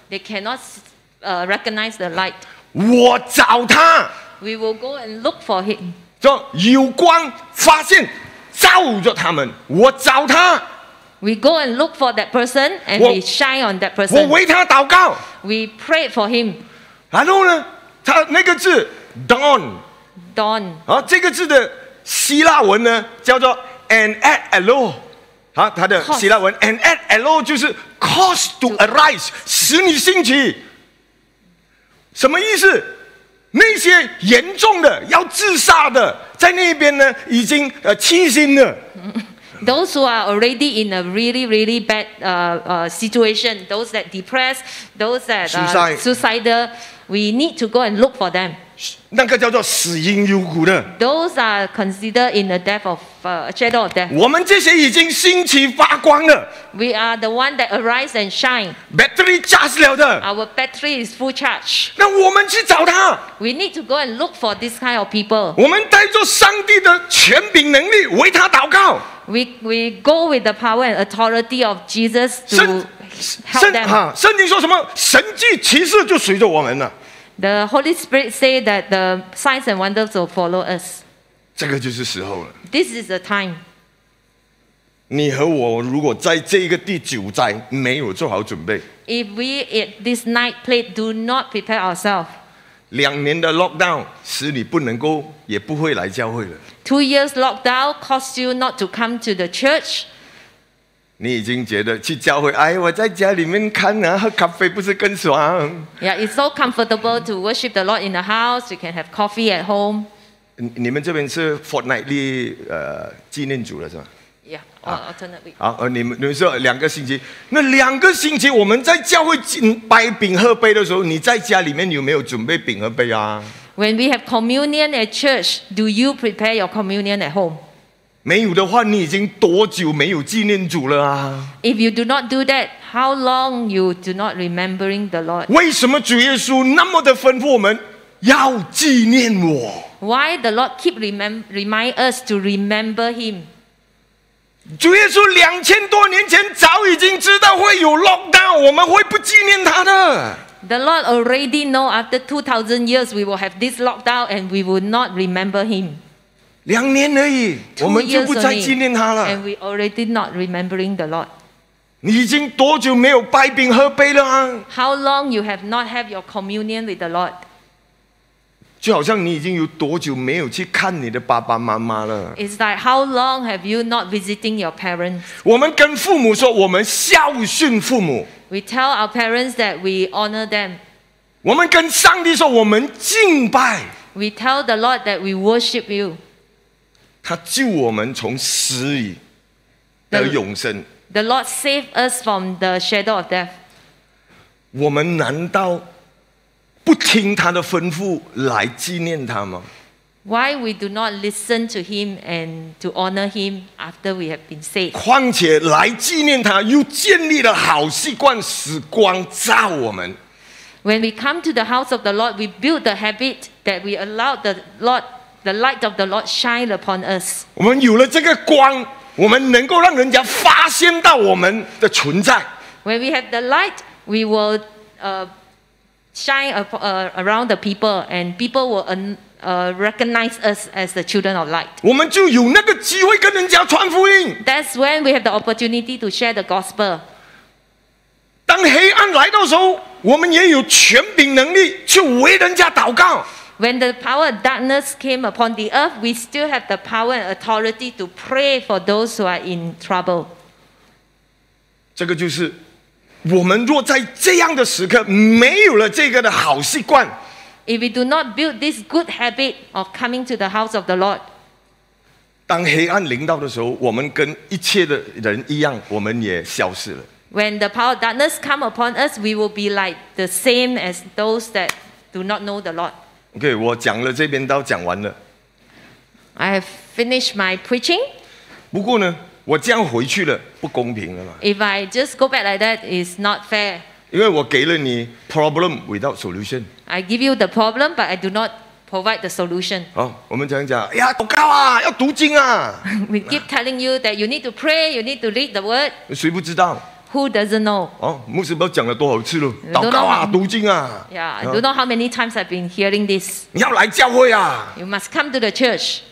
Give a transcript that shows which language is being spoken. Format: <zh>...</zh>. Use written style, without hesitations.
<en>，They cannot recognize the light.</en> <zh>我找他</zh> <en>，We will go and look for him.</en> <zh>说有光发现。照着他们，我找他。</zh> <en>We go and look for that person and we shine on that person.</en> <zh>我为他祷告。</zh> <en>We pray for him.</en> <zh>然后呢，他那个字 dawn，</zh> <en>dawn。</en> <zh>啊，这个字的希腊文呢叫做 an at alo。啊，它的希腊文 an at alo 就是</zh> <en>cause to arise，</en> <zh>使你兴起。什么意思？那些严重的要自杀的，在那边呢，已经气心了。</zh> <en>Those who are already in a really, really bad situation, those that depressed, those that suicidal, we need to go and look for them.</en> <zh>那个叫做死荫幽谷的。</zh> <en>Those are considered in the death of shadow of death.</en> <zh>我们这些已经兴起发光了。</zh> <en>We are the one that arise and shine. Battery charged</en> <zh>了的。</zh> <en>Our battery is full charge.</en> <zh>那我们去找他。</zh> <en>We need to go and look for this kind of people.</en> <zh>我们带着上帝的权柄能力为他祷告。</zh> <en>We go with the power and authority of Jesus to help them.</en> <zh>圣经说什么？神迹奇事就随着我们了。</zh> <en>The Holy Spirit say that the signs and wonders will follow us.</en> <zh>这个就是时候了。</zh> <en>This is the time.</en> <zh>你和我如果在这个第九灾没有做好准备</zh> <en>，If we at this night plate do not prepare ourselves.</en> <zh>两年的 lockdown 使你不能够，也不会来教会了。</zh> <en>2 years lockdown caused you not to come to the church.</en> <zh>你已经觉得去教会，哎，我在家里面看啊，喝咖啡不是更爽</zh> <en>？Yeah, it's so comfortable to worship the Lord in the house. You can have coffee at home.</en> <zh>你们这边是 fortnightly 纪念组了是吗</zh> <en>？Yeah, alternately.</en> <zh>好，你们说两个星期，那两个星期我们在教会摆饼喝杯的时候，你在家里面有没有准备饼和杯啊</zh> <en>？When we have communion at church, do you prepare your communion at home?</en> <zh>没有的话，你已经多久没有纪念主了啊</zh> <en>？If you do not do that, how long you do not remembering the Lord?</en> <zh>为什么主耶稣那么的吩咐我们要纪念我</zh> <en>？Why the Lord keep remind us to remember Him?</en> <zh>主耶稣2000多年前早已经知道会有 lockdown， 我们会不纪念他的。</zh> <en>The Lord already know after 2000 years we will have this lockdown and we will not remember Him.</en> <zh>两年而已，我们就不再纪念他了。</zh> <en>And we already not remembering the Lord.</en> <zh>你已经多久没有拜饼喝杯了啊</zh> <en>？How long you have not have your communion with the Lord?</en> <zh>就好像你已经有多久没有去看你的爸爸妈妈了</zh> <en>？It's like how long have you not visiting your parents?</en> <zh>我们跟父母说，我们孝顺父母。</zh> <en>We tell our parents that we honor them.</en> <zh>我们跟上帝说，我们敬拜。</zh> <en>We tell the Lord that we worship you.</en> <zh>他救我们从死里得永生。</zh> <en>The Lord saved us from the shadow of death.</en> <zh>我们难道不听他的吩咐来纪念他吗</zh> <en>？Why we do not listen to him and to honor him after we have been saved?</en> <zh>况且来纪念他，又建立了好习惯，使光照我们。</zh> <en>When we come to the house of the Lord, we build the habit that we allow the Lord. The light of the Lord shine upon us.</en> <zh>我们有了这个光，我们能够让人家发现到我们的存在。</zh> <en>When we have the light, we will shine around the people, and people will recognize us as the children of light.</en> <zh>我们就有那个机会跟人家传福音。</zh> <en>That's when we have the opportunity to share the gospel.</en> <zh>当黑暗来到时候，我们也有权柄能力去为人家祷告。</zh> <en>When the power of darkness came upon the earth, we still have the power and authority to pray for those who are in trouble.</en> <zh>这个就是我们若在这样的时刻没有了这个的好习惯。</zh> <en>If we do not build this good habit of coming to the house of the Lord,</en> <zh>当黑暗临到的时候，我们跟一切的人一样，我们也消失了。</zh> <en>When the power of darkness come upon us, we will be like the same as those that do not know the Lord.</en> <zh>OK， 我讲了这边都讲完了。</zh> <en>I have finished my preaching。</en> <zh>不过呢，我这样回去了不公平了嘛。</zh> <en>If I just go back like that, it's not fair。</en> <zh>因为我给了你</zh> <en>problem without solution。 I give you the problem, but I do not provide the solution。</en> <zh>好，我们讲一讲，哎呀，祷告啊，要读经啊。</zh> <en>We keep telling you that you need to pray, you need to read the word。</en> <zh>谁不知道？</zh> <en>Who doesn't know?</en> <zh>牧师不讲了多少次了？祷告啊，读经啊。</zh> <en>Yeah, I don't know how many times I've been hearing this.</en> <zh>你要来教会啊。</zh> <en>You must come to the church.</en>